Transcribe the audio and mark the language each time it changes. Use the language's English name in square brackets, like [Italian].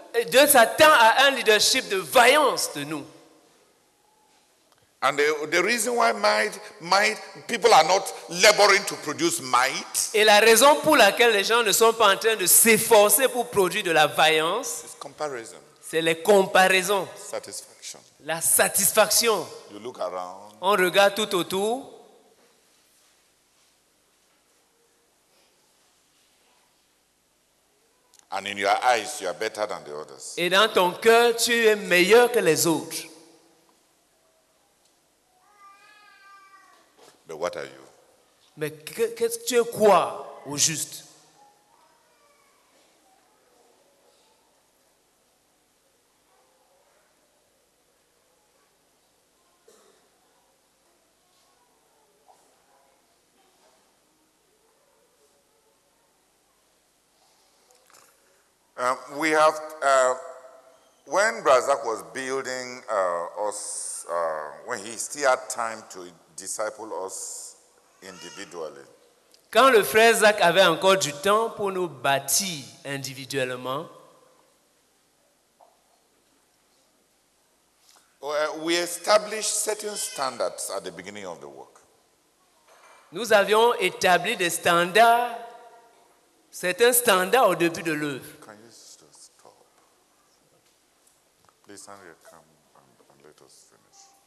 [French] Dieu s'attend à un leadership de vaillance de nous. [English] And the reason why might people are not laboring to produce might. [French] Et la raison pour laquelle les gens ne sont pas en train de s'efforcer pour produire de la vaillance. [English] It's comparison. [French] C'est les comparaisons. [English] Satisfaction. [French] La satisfaction. [English] You look around. [French] On regarde tout autour. [English] And in your eyes, you are better than the others. [French] Et dans ton cœur, tu es meilleur que les autres. [English] But what are you? [French] Mais qu'est-ce que tu es quoi au juste? [English] We have, when Brazak was building us, when he still had time to disciple us individually. [French] Quand le frère Zach avait encore du temps pour nous bâtir individuellement. [English] We established certain standards at the beginning of the work. [French] Nous avions établi des standards, certains standards au début de l'œuvre. [English] Can you just stop? Please, Andrea, come and let us finish.